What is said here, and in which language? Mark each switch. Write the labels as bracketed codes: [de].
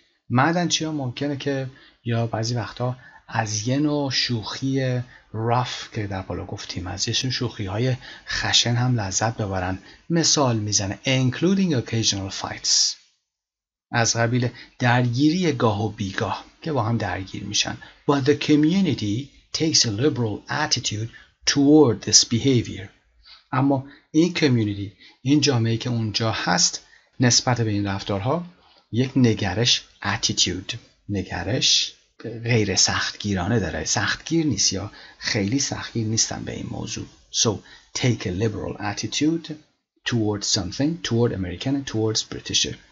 [fa] معدنچی ها ممکنه که یا بعضی وقتا از یه نوع شوخی رف که در بالا گفتیم، از یه شوخی های خشن هم لذت ببرن. مثال میزنه [en] including occasional fights، [fa] از قبیل درگیری گاه و بیگاه که با هم درگیر میشن. [en] But the community takes a liberal attitude toward this behavior. [fa] اما این کمیونیتی، این جامعه که اونجا هست، نسبت به این رفتارها یک نگرش اتیتیود، نگرش غیر سختگیرانه داره. سختگیر نیست یا خیلی سختگیر نیستن به این موضوع. [en] So take a liberal attitude towards something, toward American and towards British.